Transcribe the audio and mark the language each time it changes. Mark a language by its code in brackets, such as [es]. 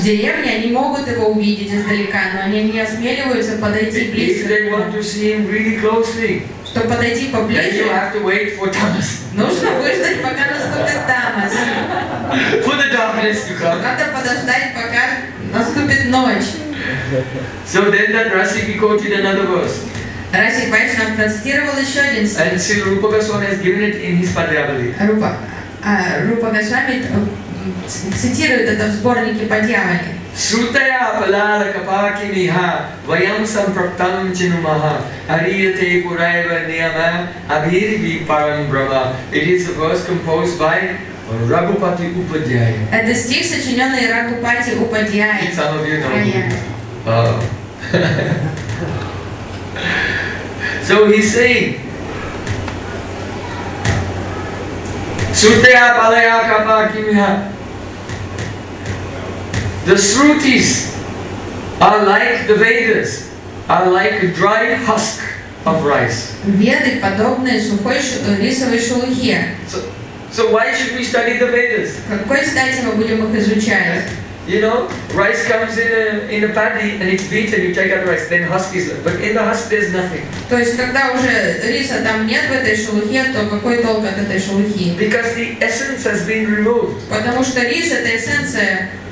[ru] В деревне они могут его увидеть издалека, но они не осмеливаются подойти близко. [en] If they want to see him really closely, [ru] чтобы подойти поближе, [en] have to wait for tamas. [ru] Нужно выждать, пока наступит тамас. [en] For the darkness to come. [ru] Надо подождать, пока наступит ночь. [en] So then that Rasiki quoted another verse. [ru] Раси Вайшнав процитировал еще один стих. [en] And Sri Rupa Goswami has given it in his Padyavali. [ru] Rupa Goswami цитирует это в сборнике Падьявали. [sa] Shrutaya apalala kapakiniha vayam sampraptam chinumaha ariyate purayva niyama abhirvi param brahma. [en] It is a verse composed by Raghupati Upadhyaya. [ru] Это стих, сочиненный Раghupati Upadhyaya. [en] It's all of you know. Oh. So he's saying, [sa] Shrutaya apalaya kapakiniha. [en] The Shrutis are like the Vedas, are like a dry husk of rice. [ru] Веды подобные сухой рисовой шелухе. [en] So why should we study the Vedas? [ru] Какой стати мы будем их изучать? [en] You know, rice comes in a paddy and it's beaten, you take out the rice, then husk is left. But in the husk there's nothing. [ru] То есть когда уже риса там нет в этой шелухе, то какой толк от этой шелухи? [en] Because the essence has been removed. [ru] Потому что рис это эссенция.